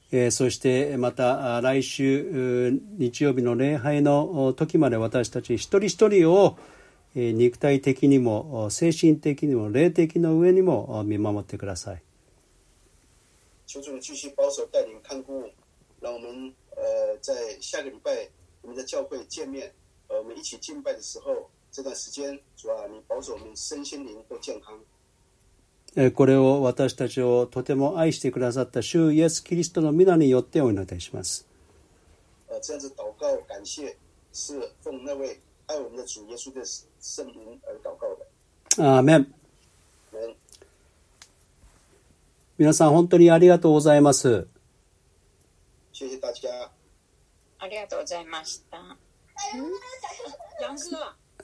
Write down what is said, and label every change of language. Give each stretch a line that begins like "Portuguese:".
Japanese: そしてまた来週日曜日の礼拝の時まで、私たち一人一人を肉体的にも精神的にも霊的の上にも見守ってください。
Chinese: 求主你继续保守带领看顾，让我们在下个礼拜我们在教会见面，我们一起敬拜的时候，这段时间主啊，你保守我们身心灵都健康。
Japanese: これを私たちをとても愛してくださった主イエスキリストの御名によってお祈りいたします。
Chinese: 这样子祷告感谢是奉那位爱我们的主耶稣的圣灵而祷告的。
Japanese: アーメン。皆さん本当にありがとうございます。
Chinese: 谢谢大家。
Japanese: ありがとうございました。